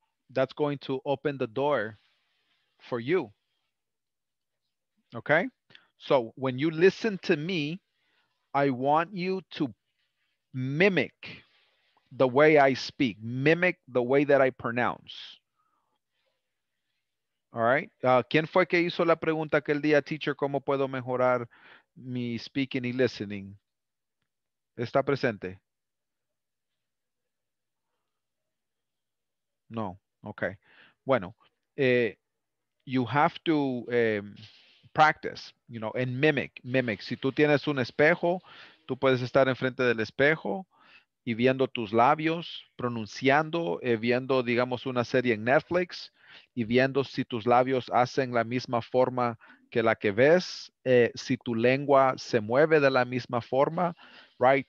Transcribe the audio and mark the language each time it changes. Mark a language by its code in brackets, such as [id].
[en] That's going to open the door for you. Okay? So when you listen to me, I want you to mimic the way I speak, mimic the way that I pronounce. All right? [es] ¿Quién fue que hizo la pregunta aquel día, teacher, cómo puedo mejorar mi speaking y listening? ¿Está presente? [en] No. Okay. Bueno, you have to practice, you know, and mimic. [es] Si tú tienes un espejo, tú puedes estar enfrente del espejo y viendo tus labios, pronunciando, viendo, digamos, una serie en Netflix y viendo si tus labios hacen la misma forma que la que ves, si tu lengua se mueve de la misma forma, right?